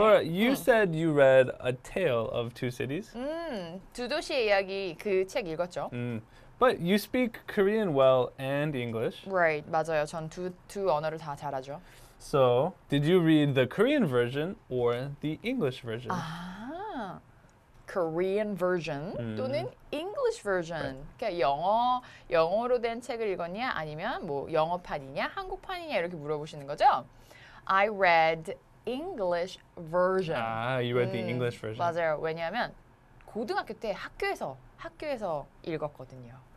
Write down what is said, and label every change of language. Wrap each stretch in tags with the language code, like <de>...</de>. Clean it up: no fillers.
<en>Laura, you said you read A Tale of Two Cities.</en> <ko>두 도시의 이야기 그 책 읽었죠.</ko> <en>But you speak Korean well and English.</en> <ko>Right, 맞아요. 전 두 언어를 다 잘하죠.</ko> <en>So, did you read the Korean version or the English version? Korean version 또는 English version. Right.</en> <ko>그러니까 영어로 된 책을 읽었냐 아니면 뭐 영어판이냐 한국판이냐 이렇게 물어보시는 거죠.</ko> <en>I read English version. You read the English version.</en> <ko>맞아요. 왜냐하면 고등학교 때 학교에서 읽었거든요.</ko>